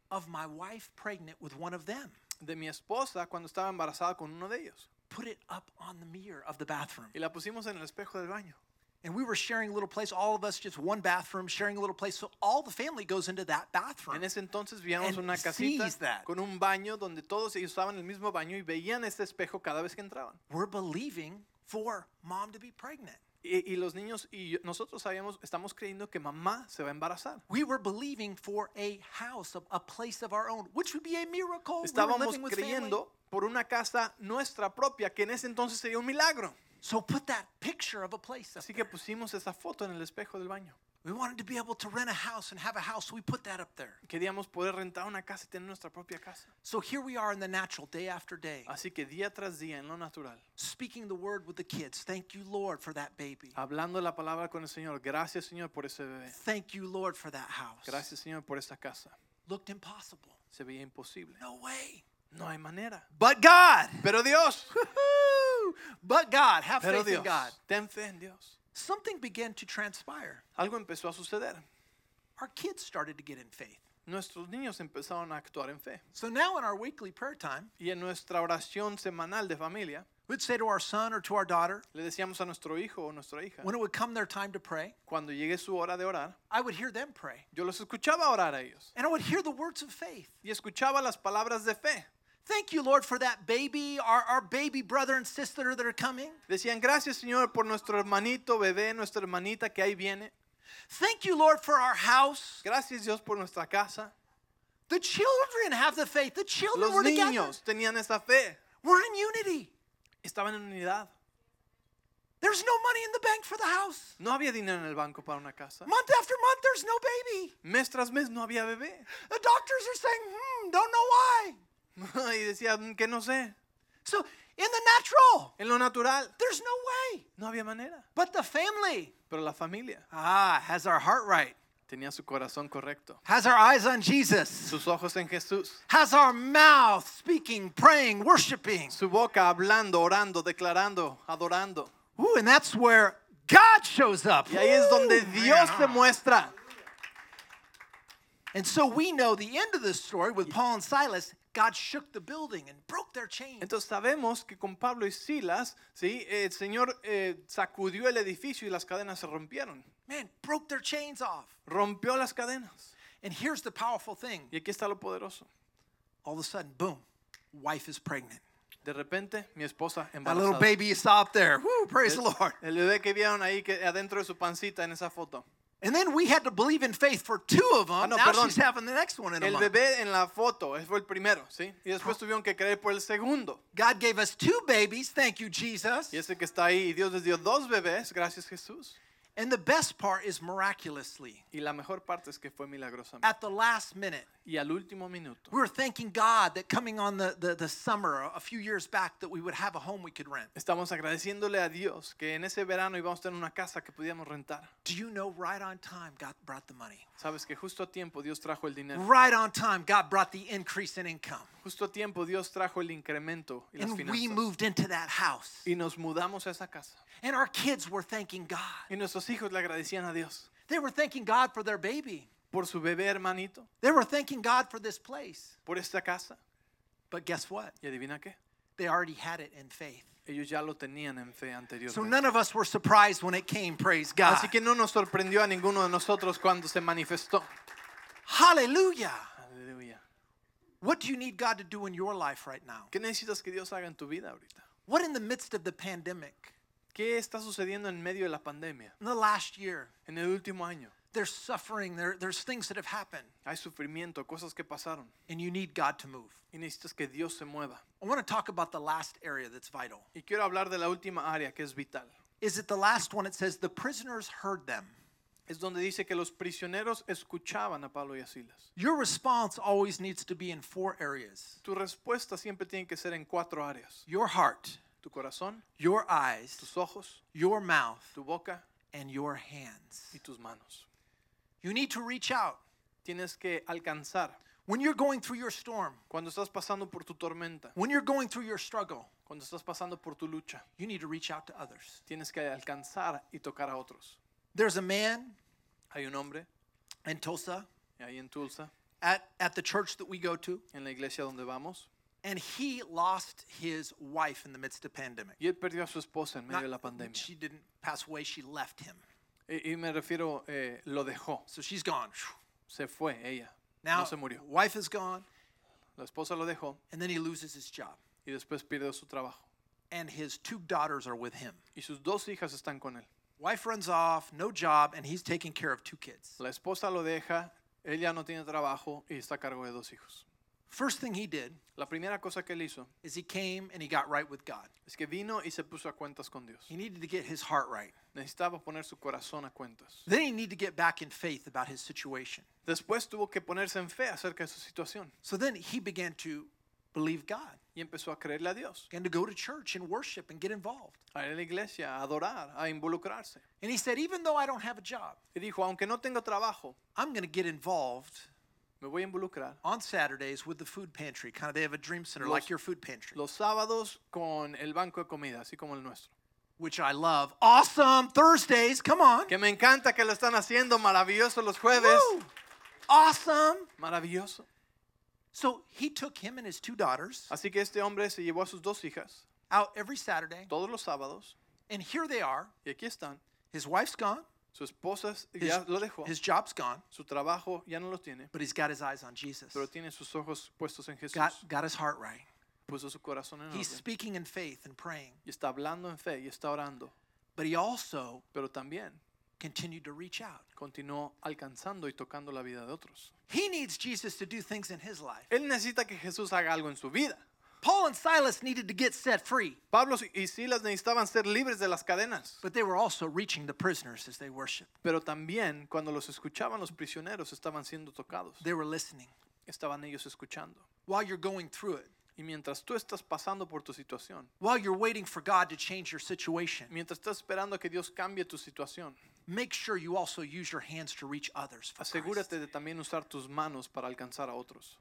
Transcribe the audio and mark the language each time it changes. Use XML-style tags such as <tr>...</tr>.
<en>Of my wife pregnant with one of them.</en> <es>De mi esposa cuando estaba embarazada con uno de ellos.</es> <en>Put it up on the mirror of the bathroom.</en> <es>Y la pusimos en el espejo del baño.</es> <en>And we were sharing a little place, all of us, just one bathroom, sharing a little place. So all the family goes into that bathroom.</en> <es>En ese entonces veíamos una casita con un baño donde todos ellos usaban el mismo baño y veían este espejo cada vez que entraban.</es> <en>We're believing for mom to be pregnant.</en> <es>Y los niños y yo, nosotros sabíamos, estamos creyendo que mamá se va a embarazar.</es> <en>We were believing for a house, a place of our own, which would be a miracle.</en> <es>Estábamos creyendo por una casa nuestra propia, que en ese entonces sería un milagro.</es> <en>So put that picture of a place up</en> <es>así que pusimos esa foto en el espejo del baño.</es> <en>We wanted to be able to rent a house and have a house, so we put that up there.</en> <es>Queríamos poder rentar una casa y tener nuestra propia casa.</es> <en>So here we are in the natural, day after day.</en> <es>Así que día tras día en lo natural.</es> <en>Speaking the word with the kids. Thank you, Lord, for that baby.</en> <es>Hablando la palabra con el Señor. Gracias, Señor, por ese bebé.</es> <en>Thank you, Lord, for that house.</en> <es>Gracias, Señor, por esa casa.</es> <en>Looked impossible.</en> <es>Se veía imposible.</es> <en>No way.</en> <es>No hay manera.</es> <en>But God.</en> <es>Pero Dios.</es> <en>But God. Have</en> <es>Pero</es> <en>faith</en> <es>Dios.</es> <en>In God.</en> <es>Ten fe en Dios.</es> <en>Something began to transpire.</en> <es>Algo empezó a suceder.</es> <en>Our kids started to get in faith.</en> <es>Nuestros niños empezaron a actuar en fe.</es> <en>So now in our weekly prayer time.</en> <es>Y en nuestra oración semanal de familia.</es> <en>We'd say to our son or to our daughter.</en> <es>Le decíamos a nuestro hijo o nuestra hija.</es> <en>When it would come their time to pray.</en> <es>Cuando llegue su hora de orar.</es> <en>I would hear them pray.</en> <es>Yo los escuchaba orar a ellos.</es> <en>And I would hear the words of faith.</en> <es>Y escuchaba las palabras de fe.</es> <en>Thank you, Lord, for that baby, our baby brother and sister that are coming.</en> <es>Decían, gracias, Señor, por nuestro hermanito, bebé, nuestra hermanita que ahí viene.</es> <en>Thank you, Lord, for our house.</en> <es>Gracias, Dios, por nuestra casa.</es> <en>The children have the faith. The children</en> <es>Los</es> <en>were together.</en> <es>Los niños tenían esa fe.</es> <en>We're in unity.</en> <es>Estaban en unidad.</es> <en>There's no money in the bank for the house.</en> <es>No había dinero en el banco para una casa.</es> <en>Month after month, there's no baby.</en> <es>Mes tras mes, no había bebé.</es> <en>The doctors are saying, don't know why.</en> <es>Y decía, que no sé.</es> <en>So in the natural,</en> <es>en lo natural,</es> <en>there's no way.</en> <es>No había manera.</es> <en>But the family,</en> <es>pero la familia,</es> <en>has our heart right.</en> <es>Tenía su corazón correcto.</es> <en>Has our eyes on Jesus.</en> <es>Sus ojos en Jesús.</es> <en>Has our mouth speaking, praying, worshiping.</en> <es>Su boca hablando, orando, declarando, adorando.</es> <en>Ooh, and that's where God shows up.</en> <es>Y ahí es donde Dios se muestra.</es> <en>And so we know the end of this story with Paul and Silas. God shook the building and broke their chains.</en> <es>Entonces sabemos que con Pablo y Silas, sí, el Señor sacudió el edificio y las cadenas se rompieron.</es> <en>Man, broke their chains off.</en> <es>Rompió las cadenas.</es> <en>And here's the powerful thing.</en> <es>Y aquí está lo poderoso.</es> <en>All of a sudden, boom, wife is pregnant.</en> <es>De repente, mi esposa embarazada.</es> <en>A little baby is up there. Woo, praise the Lord.</en> <es>El bebé que vieron ahí que adentro de su pancita en esa foto.</es> <en>And then we had to believe in faith for two of them.</en> <es>Ah, no,</es> <en>now</en> <es>perdón.</es> <en>She's having the next one in a</en> <es>el</es> <en>month.</en> <es>Bebé en la foto, ese fue el primero, ¿sí? Y después tuvieron que creer por el segundo.</es> <en>God gave us two babies, thank you, Jesus.</en> <es>Y ese que está ahí, Dios les dio dos bebés, gracias, Jesús.</es> <en>And the best part is miraculously.</en> <es>Y la mejor parte es que fue milagrosamente.</es> <en>At the last minute.</en> <es>Y al último minuto.</es> <en>We were thanking God that coming on the summer a few years back that we would have a home we could rent.</en> <es>Estamos agradeciéndole a Dios que en ese verano íbamos a tener una casa que podíamos rentar.</es> <en>Do you know right on time God brought the money?</en> <es>Sabes que justo a tiempo Dios trajo el dinero.</es> <en>Right on time God brought the increase in income.</en> <es>Justo a tiempo Dios trajo el incremento y las finanzas.</es> <en>And we moved into that house.</en> <es>Y nos mudamos a esa casa.</es> <en>And our kids were thanking God.</en> <es>Y nuestros hijos le agradecían a Dios.</es> <en>They were thanking God for their baby.</en> <es>Por su bebé hermanito.</es> <en>They were thanking God for this place.</en> <es>Por esta casa.</es> <en>But guess what?</en> <es>¿Y adivina qué?</es> <en>They already had it in faith.</en> <es>Ellos ya lo tenían en fe anteriormente.</es> <en>So none of us were surprised when it came, praise God.</en> <es>Así que no nos sorprendió a ninguno de nosotros cuando se manifestó.</es> <en>Hallelujah.</en> <es>Hallelujah.</es> <en>What do you need God to do in your life right now?</en> <es>¿Qué necesitas que Dios haga en tu vida ahorita?</es> <en>What in the midst of the pandemic?</en> <es>¿Qué está sucediendo en medio de la pandemia?</es> <en>In the last year.</en> <es>En el último año.</es> <en>There's suffering. There's things that have happened.</en> <es>Hay sufrimiento, cosas que pasaron.</es> <en>And you need God to move.</en> <es>Y necesitas que Dios se mueva.</es> <en>I want to talk about the last area that's vital.</en> <es>Y quiero hablar de la última área que es vital.</es> <en>Is it the last one? It says the prisoners heard them.</en> <es>Es donde dice que los prisioneros escuchaban a Pablo y a Silas.</es> <en>Your response always needs to be in four areas.</en> <es>Tu respuesta siempre tiene que ser en cuatro áreas.</es> <en>Your heart.</en> <es>Tu corazón.</es> <en>Your eyes.</en> <es>Tus ojos.</es> <en>Your mouth.</en> <es>Tu boca.</es> <en>And your hands.</en> <es>Y tus manos.</es> <en>You need to reach out.</en> <es>Tienes que alcanzar.</es> <en>When you're going through your storm.</en> <es>Cuando estás pasando por tu tormenta.</es> <en>When you're going through your struggle.</en> <es>Cuando estás pasando por tu lucha.</es> <en>You need to reach out to others.</en> <es>Tienes que alcanzar y tocar a otros.</es> <en>There's a man.</en> <es>Hay un hombre.</es> <en>In Tulsa.</en> <es>Ahí en Tulsa.</es> <en>At the church that we go to.</en> <es>En la iglesia donde vamos.</es> <en>And he lost his wife in the midst of pandemic.</en> <es>Y él perdió a su esposa en medio de la pandemia.</es> <en>She didn't pass away, she left him.</en> <es>Y me refiero, lo dejó.</es> <en>So she's gone.</en> <es>Se fue, ella.</es> <en>Now,</en> <es>no se murió.</es> <en>Wife is gone.</en> <es>La esposa lo dejó.</es> <en>And then he loses his job.</en> <es>Y después pierde su trabajo.</es> <en>And his two daughters are with him.</en> <es>Y sus dos hijas están con él.</es> <en>Wife runs off, no job, and he's taking care of two kids.</en> <es>La esposa lo deja, ella no tiene trabajo, y está a cargo de dos hijos.</es> <en>First thing he did,</en> <es>la primera cosa que él hizo,</es> <en>is he came and he got right with God.</en> <es>Es que vino y se puso a cuentas con Dios.</es> <en>He needed to get his heart right.</en> <es>Necesitaba poner su corazón a cuentas.</es> <en>Then he needed to get back in faith about his situation.</en> <es>Después tuvo que ponerse en fe acerca de su situación.</es> <en>So then he began to believe God.</en> <es>Y empezó a creerle a Dios.</es> <en>And to go to church and worship and get involved.</en> <es>A ir a la iglesia, a adorar, a involucrarse.</es> <en>And he said, even though I don't have a job,</en> <es>y dijo, aunque no tengo trabajo,</es> <en>I'm going to get involved.</en> <es>Me voy a involucrar.</es> <en>On Saturdays with the food pantry. Kind of they have a dream center like your food pantry.</en> <es>Los sábados con el banco de comida, así como el nuestro.</es> <en>Which I love. Awesome. Thursdays, come on.</en> <es>Que me encanta que lo están haciendo. Maravilloso los jueves.</es> <en>Woo. Awesome.</en> <es>Maravilloso.</es> <en>So he took him and his two daughters.</en> <es>Así que este hombre se llevó a sus dos hijas.</es> <en>Out every Saturday.</en> <es>Todos los sábados.</es> <en>And here they are.</en> <es>Y aquí están.</es> <en>His wife's gone.</en> <es>Su esposa ya lo dejó.</es> <en>His job's gone.</en> <es>Su trabajo ya no lo tiene.</es> <en>But he's got his eyes on Jesus.</en> <es>Pero tiene sus ojos puestos en Jesús.</es> <en>Got his heart right.</en> <es>Puso su corazón en</es> <en>He's speaking in faith and praying.</en> <es>Y está hablando en fe y está orando.</es> <en>But he also</en> <es>Pero también</es> <en>continued to reach out.</en> <es>Continuó alcanzando y tocando la vida de otros.</es> <en>He needs Jesus to do things in his life.</en> <es>Él necesita que Jesús haga algo en su vida.</es> <en>Paul and Silas needed to get set free.</en> <es>Pablo y Silas necesitaban ser libres de las cadenas.</es> <en>But they were also reaching the prisoners as they worshiped.</en> <es>Pero también cuando los escuchaban los prisioneros estaban siendo tocados.</es> <en>They were listening.</en> <es>Estaban ellos escuchando.</es> <en>While you're going through it.</en> <es>Y mientras tú estás pasando por tu situación.</es> <en>While you're waiting for God to change your situation.</en> <es>Mientras estás esperando que Dios cambie tu situación.</es> <en>Make sure you also use your hands to reach others. For</en> <es>Asegúrate</es> <en>Christ.</en> <es>De también usar tus manos para alcanzar a otros.</es>